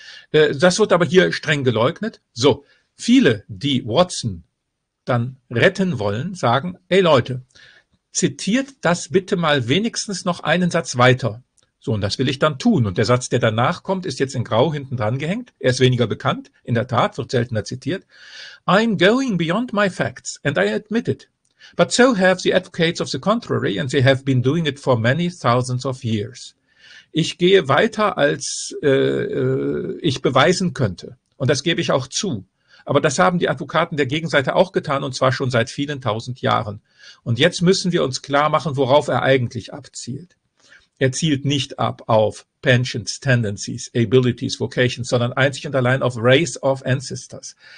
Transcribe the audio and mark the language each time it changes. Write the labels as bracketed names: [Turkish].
[German] Das wird aber hier streng geleugnet. So, viele, die Watson dann retten wollen, sagen, ey Leute, zitiert das bitte mal wenigstens noch einen Satz weiter. So, und das will ich dann tun. Und der Satz, der danach kommt, ist jetzt in Grau hinten dran gehängt. Er ist weniger bekannt, in der Tat, wird seltener zitiert. [English] I'm going beyond my facts, and I admit it. But so have the advocates of the contrary, and they have been doing it for many thousands of years. [German] Ich gehe weiter, als ich beweisen könnte. Und das gebe ich auch zu. Aber das haben die Advokaten der Gegenseite auch getan, und zwar schon seit vielen tausend Jahren. Und jetzt müssen wir uns klar machen, worauf er eigentlich abzielt. Er zielt nicht ab auf [English] Pensions, Tendencies, Abilities, Vocations, [German] sondern einzig und allein auf [English] Race of Ancestors.